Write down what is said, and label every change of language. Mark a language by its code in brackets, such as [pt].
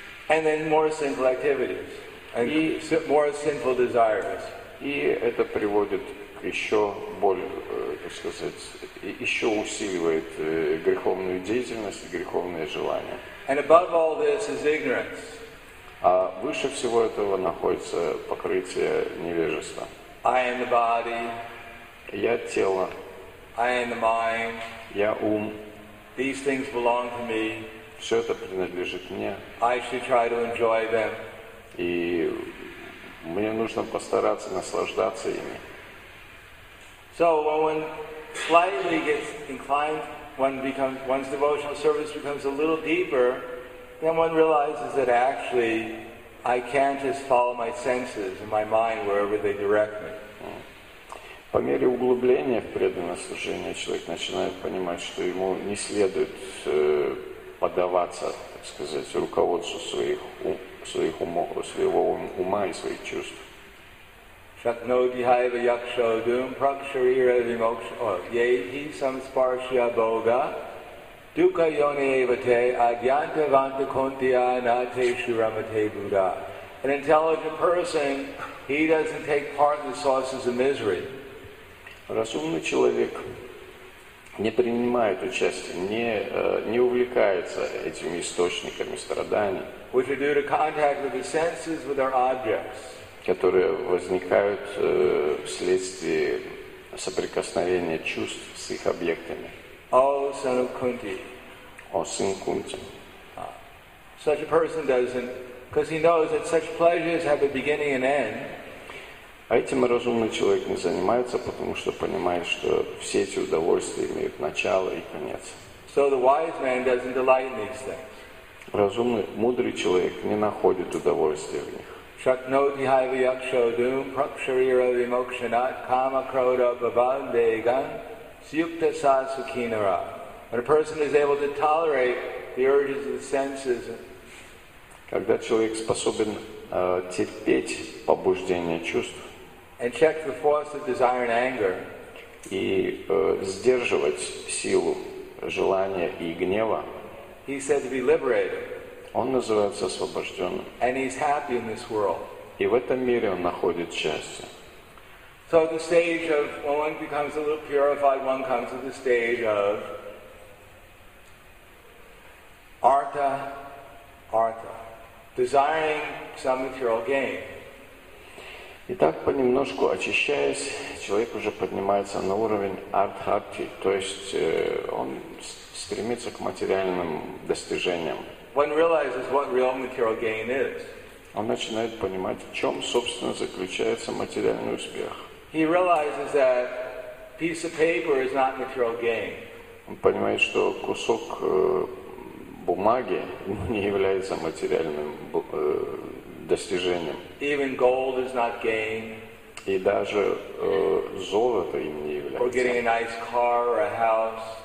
[en] and then more sinful activities, and [ru] и [en] more sinful desires, [ru] и это приводит еще боль, так сказать, еще усиливает греховную деятельность и греховные желания. [en] And above all this is ignorance. [ru] А выше всего этого находится покрытие невежества. [en] I am the body. [ru] Я тело. [en] I am the mind. [ru] Я ум. [en] These things belong to me. [ru] Все это принадлежит мне. [en] I should try to enjoy them. [ru] И мне нужно постараться наслаждаться ими. [en] So when one slightly gets inclined, one's devotional service becomes a little deeper, then one realizes that actually I can't just follow my senses and my mind wherever they direct me. [ru] По мере углубления в преданное служение человек начинает понимать, что ему не следует поддаваться, так сказать, руководству своих умов, своего ума и своих чувств. [sa] Shakno dihaiva yaksho dum praksharira vimoksha yehi samsparshya boga dukha yoni evate adyanta vanta kontiya nate shuramate buddha. [en] An intelligent person, he doesn't take part in the sources of misery. [ru] Разумный человек не принимает участие, не увлекается этими источниками страданий. [en] Which are due to contact with the senses with our objects. [ru] Которые возникают вследствие соприкосновения чувств с их объектами. О, сын Кунти. О, сын Кунти. [en] Such a person doesn't, because he knows that such pleasures have a beginning and end. [ru] А этим разумный человек не занимается, потому что понимает, что все эти удовольствия имеют начало и конец. [en] So the wise man doesn't delight in these things. [ru] Разумный, мудрый человек не находит удовольствия в них. [sa] Shakno dihaiva yaksho dum praksharira vimokshanat kama krodha bhavandegan syukta sasukhinara. [en] When a person is able to tolerate the urges of the senses, [ru] когда человек способен терпеть побуждение чувств, [en] and check the force of desire and anger, [ru] и сдерживать силу желания и гнева, [en] he said to be liberated. [ru] Он называется освобожденным. [en] And he's happy in this world. [ru] И в этом мире он находит счастье. [en] So the stage of when one becomes a little purified, one comes to the stage of artha, artha, desiring some material gain. [ru] И так понемножку очищаясь, человек уже поднимается на уровень артхарти, то есть он стремится к материальным достижениям. [en] One realizes what real material gain is. [ru] Он начинает понимать, в чем, собственно, заключается материальный успех. [en] He realizes that piece of paper is not material gain. [ru] Он понимает, что кусок бумаги не является материальным достижением. [en] Even gold is not gain. [ru] И даже золото им не является. [en] Or getting a nice car or a house.